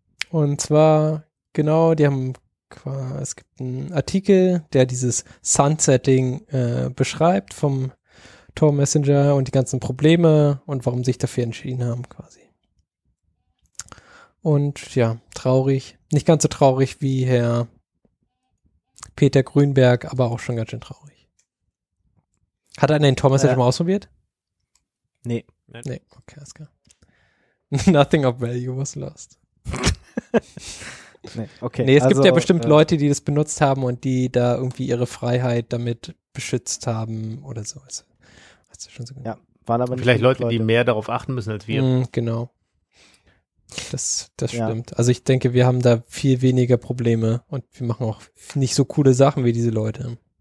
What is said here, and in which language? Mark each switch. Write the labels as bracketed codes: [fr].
[de] Und zwar, genau, die haben quasi, es gibt einen Artikel, der dieses Sunsetting beschreibt vom Tor-Messenger und die ganzen Probleme und warum sie sich dafür entschieden haben, quasi. Und ja, traurig. Nicht ganz so traurig wie Herr Peter Grünberg, aber auch schon ganz schön traurig. Hat er den Tor-Messenger schon mal ausprobiert? Nee. Okay, alles klar. [en] Nothing of value was lost. [de] Nee, es also, gibt ja bestimmt Leute, die das benutzt haben und die da irgendwie ihre Freiheit damit beschützt haben oder so. Also, hast du schon so gesehen? Ja, waren aber nicht vielleicht Leute, die mehr darauf achten müssen als wir. Genau. Das stimmt. Ja. Also ich denke, wir haben da viel weniger Probleme und wir machen auch nicht so coole Sachen wie diese Leute.